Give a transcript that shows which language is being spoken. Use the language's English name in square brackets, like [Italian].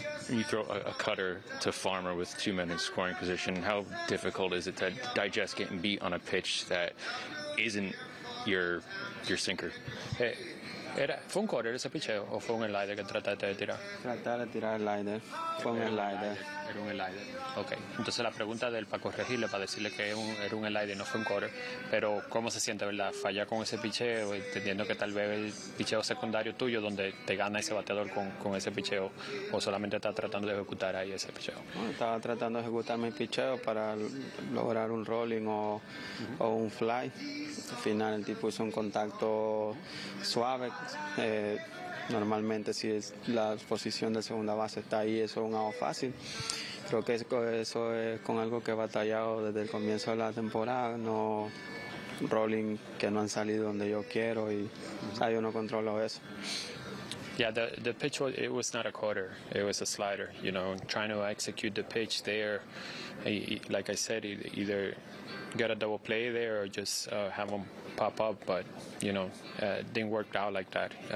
[English] You throw a cutter to Farmer with two men in scoring position. How difficult is it to digest getting beat on a pitch that isn't your sinker? [Spanish] Hey, ¿fue un cutter ese picheo o fue un slider que trataste de tirar? Traté de tirar el slider. Fue un slider. Era un slider. Ok. Entonces la pregunta del para corregirle, para decirle que era un slider y no fue un cutter. Pero ¿cómo se siente, verdad? Falla con ese picheo, entendiendo que tal vez el picheo secundario tuyo, donde te gana ese bateador con ese picheo, o solamente está tratando de ejecutar ahí ese picheo. Bueno, estaba tratando de ejecutar mi picheo para lograr un rolling o un fly. Al final el tipo hizo un contacto suave. Normalmente si es la posición de segunda base está ahí, eso es un out fácil. Creo que eso es con algo que he batallado desde el comienzo de la temporada, no rolling que no han salido donde yo quiero y yo no controlo eso. [English] Yeah, the pitch was, it was not a cutter, it was a slider, you know, trying to execute the pitch there, like I said, either get a double play there or just have them pop up, but, you know, didn't work out like that.